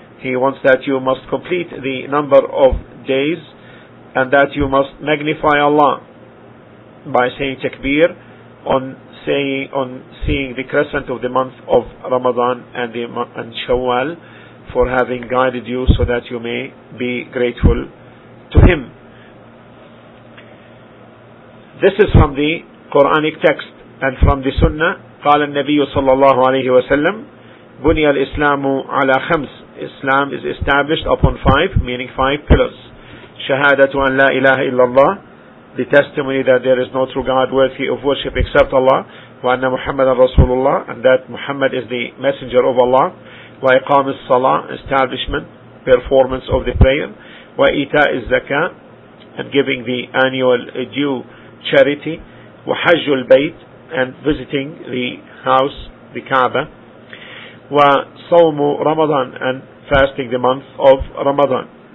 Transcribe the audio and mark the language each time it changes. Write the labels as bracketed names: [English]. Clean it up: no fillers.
[English] He wants that you must complete the number of days, and that you must magnify Allah by saying takbir on seeing the crescent of the month of Ramadan and Shawwal, for having guided you, so that you may be grateful to Him. This is from the Quranic text and from the Sunnah. [Arabic] قال النبي صلى الله عليه وسلم بني الإسلام على خمس. [English] Islam is established upon five pillars. [Arabic] Shahadatu an la ilaha illallah, [English] the testimony that there is no true God worthy of worship except Allah, [Arabic] wa anna Muhammadan Rasulullah, [English] and that Muhammad is the messenger of Allah, [Arabic] wa iqam as-salah, [English] establishment, performance of the prayer, [Arabic] wa ita' az-zakah, [English] and giving the annual due charity, [Arabic] wa hajj al-bayt, [English] and visiting the house, the Kaaba, [Arabic] wa sawmu Ramadan, [English] and fasting the month of Ramadan.